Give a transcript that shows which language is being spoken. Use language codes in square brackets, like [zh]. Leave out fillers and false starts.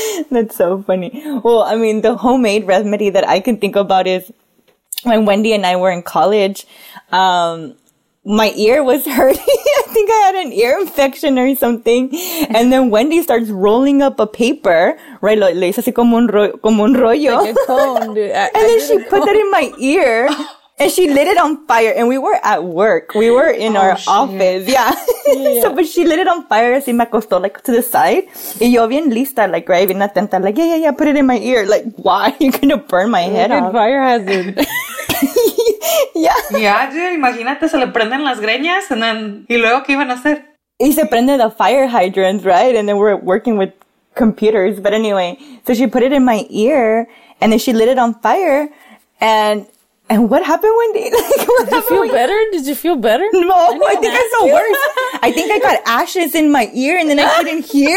[en] That's so funny. Well, I mean, the homemade remedy that I can think about is when Wendy and I were in college, my ear was hurting. I think I had an ear infection or something. And then Wendy starts rolling up a paper, right? [es] Le hice así como un rollo. [en] And then she put that in my ear and she lit it on fire. And we were at work. We were in our office. Yeah. So, but she lit it on fire. [es] Así me acostó, [en] like, to the side. [es] Y yo bien lista, [en] like, right? [es] Bien atenta, [en] like, yeah, put it in my ear. Like, why? You're going to burn my head off. Fire hazard. Yeah, dude, [es] imagínate, se le prenden las greñas, [en] and then, [es] ¿y luego qué iban a hacer? Y se prende [en] the fire hydrants, right? And then we're working with computers, but anyway, so she put it in my ear, and then she lit it on fire, and what happened, Wendy? Like, what did you feel better? Did you feel better? No, I think I feel worse. I think I got ashes in my ear, and then I couldn't hear.